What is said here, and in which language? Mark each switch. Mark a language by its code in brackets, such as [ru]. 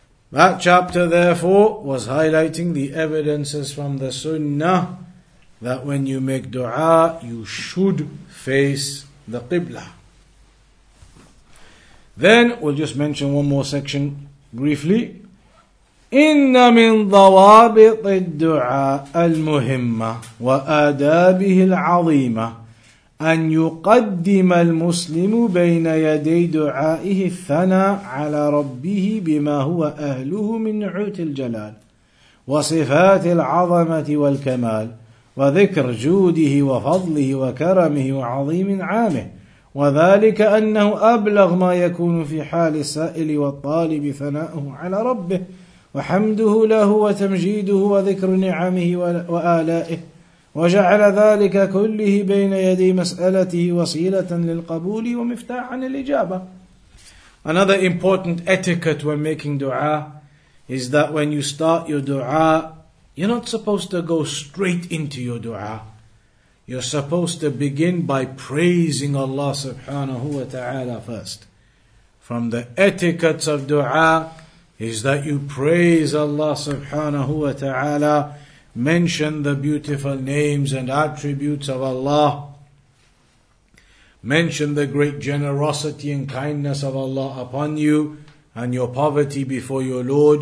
[en] That chapter therefore was highlighting the evidences from the sunnah that when you make dua, you should face the Qibla. Then we'll just mention one more section briefly. [ar] إِنَّ مِنْ ضَوَابِطِ الدُّعَاءِ الْمُهِمَّةِ وَآدَابِهِ الْعَظِيمَةِ أَنْ يُقَدِّمَ الْمُسْلِمُ بَيْنَ يَدَيْ دُعَائِهِ الثَّنَى عَلَى رَبِّهِ بِمَا هُوَ أَهْلُهُ مِنْ نُعُوتِ الْجَلَالِ وَصِفَاتِ الْعَظَمَةِ وَالْكَمَالِ وَذِكْرِ جُودِهِ وَفَضْلِهِ وَكَرَمِهِ وَعَظِيمٍ عَامِهِ وذلك أنه أبلغ ما يكون في حال السائل والطالب ثناؤه على ربه وحمده له وتمجيده وذكر نعمه وآلائه وجعل ذلك كله بين يدي مسألته وسيلة للقبول ومفتاحا للإجابة. [en] Another important etiquette when making dua is that when you start your dua, you're not supposed to go straight into your dua. You're supposed to begin by praising Allah subhanahu wa ta'ala first. From the etiquettes of dua is that you praise Allah subhanahu wa ta'ala, mention the beautiful names and attributes of Allah, mention the great generosity and kindness of Allah upon you and your poverty before your Lord.